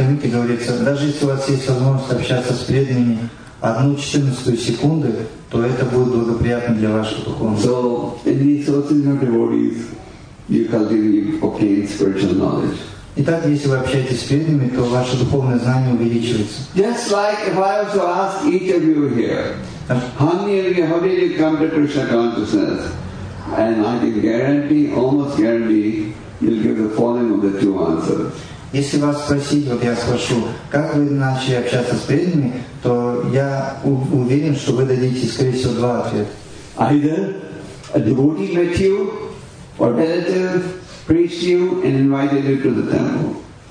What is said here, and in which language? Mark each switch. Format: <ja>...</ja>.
<ru>Говорится, даже если у вас есть возможность общаться с преданными, 1/14 секунды, то это будет благоприятно для вашего духовного.</ru> <en>So, in the associated devotees, you can obtain spiritual knowledge.</en> <ru>Итак, если вы общаетесь с преданными, то ваше духовное знание увеличивается.</ru> <en>Just like if I was to ask each of you here, how many of you, how did you come to Krishna consciousness? And I can guarantee, almost guarantee, you'll give the following of the two answers.</en> <ru>Если вас спросить, вот я спрошу, как вы начали общаться с преданными, то я уверен, что вы дадите, скорее всего, два ответа.</ru> <en>Either a devotee met you, or relative preached you and invited you to the temple.</en>